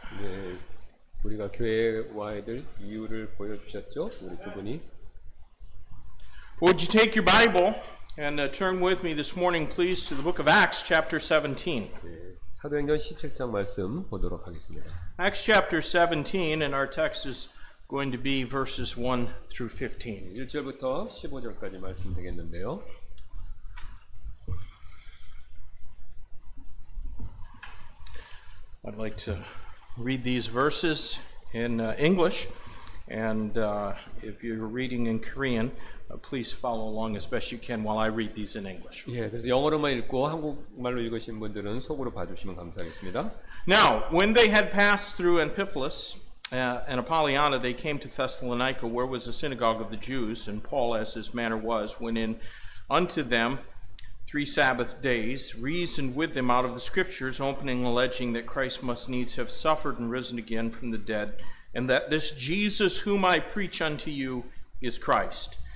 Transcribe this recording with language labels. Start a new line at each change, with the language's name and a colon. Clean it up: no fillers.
Korean: 네, 우리가 교회에 와야 될 이유를 보여주셨죠, 우리 그분이.
English: Would you take your Bible and turn with me this morning, please, to the book of Acts, chapter 17.
Korean: 네, 사도행전 17장 말씀 보도록 하겠습니다.
English: Acts chapter 17, and our text is going to be verses 1 through 15.
Korean: 1절부터 15절까지 말씀드리겠는데요.
English: I'd like to read these verses in English, and if you're reading in Korean, please follow along as best you can while I read these in English.
Korean: 예, 그래서 영어로만 읽고 한국말로 읽으신 분들은 속으로 봐주시면 감사하겠습니다.
English: Now, when they had passed through Amphipolis and Apollonia, they came to Thessalonica, where was the synagogue of the Jews, and Paul, as his manner was, went in unto them, three Sabbath days, reasoned with them out of the scriptures, opening, alleging that Christ must needs have suffered and risen again from the dead, and that this Jesus whom I preach unto you is Christ.